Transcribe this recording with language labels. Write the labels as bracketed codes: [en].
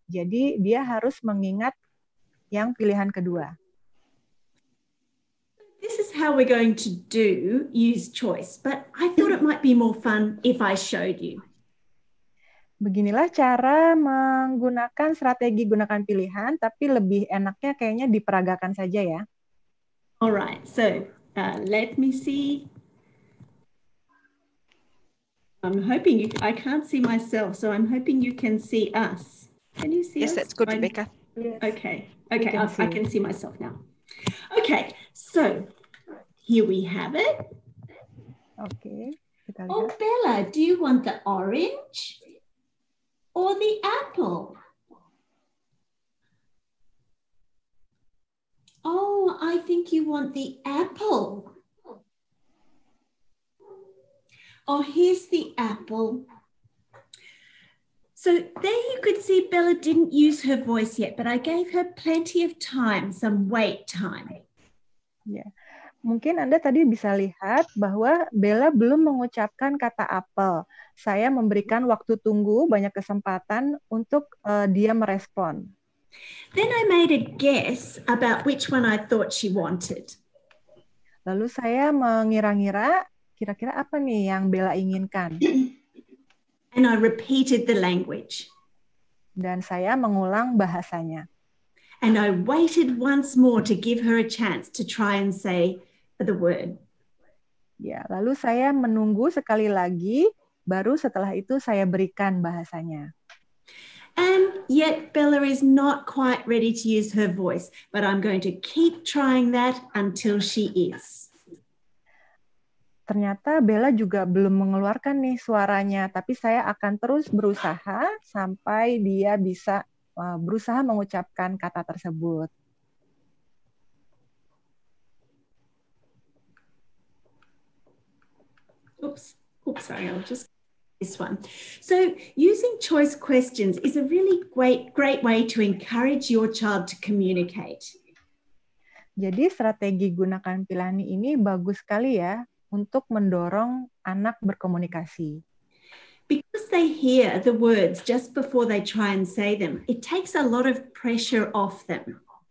[id] Jadi dia harus mengingat yang pilihan kedua. [en] This is how we're going to do use choice, but I thought it might be more fun if I showed you. [id] Beginilah cara menggunakan strategi gunakan pilihan, tapi lebih enaknya kayaknya diperagakan saja ya. [en] Alright, so let me see. I'm hoping I can't see myself, so I'm hoping you can see us. Can you see yes, us? Yes, that's good, Rebecca. Okay, I can see myself now. Okay, so here we have it. Okay. [id] Kita lihat. [en] Oh, Bella, do you want the orange or the apple? Oh, I think you want the apple. Oh, here's the apple. So there you could see Bella didn't use her voice yet, but I gave her plenty of time, some wait time. Yeah. [id] Mungkin Anda tadi bisa lihat bahwa Bella belum mengucapkan kata apple. Saya memberikan waktu tunggu, banyak kesempatan untuk dia merespon. [en] Then I made a guess about which one I thought she wanted. [id] Lalu saya mengira-ngira kira-kira apa nih yang Bella inginkan. [en] And I repeated the language. [id] Dan saya mengulang bahasanya. [en] And I waited once more to give her a chance to try and say the word. [id] Ya, lalu saya menunggu sekali lagi, baru setelah itu saya berikan bahasanya. [en] And yet Bella is not quite ready to use her voice, but I'm going to keep trying that until she is. [id] Ternyata Bella juga belum mengeluarkan nih suaranya, tapi saya akan terus berusaha sampai dia bisa berusaha mengucapkan kata tersebut. [en] Oops, sorry, I'll just this one. So using choice questions is a really great way to encourage your child to communicate. [id] Jadi strategi gunakan pilani ini bagus sekali ya untuk mendorong anak berkomunikasi. [en] Because they hear the words just before they try and say them, it takes a lot of pressure off them.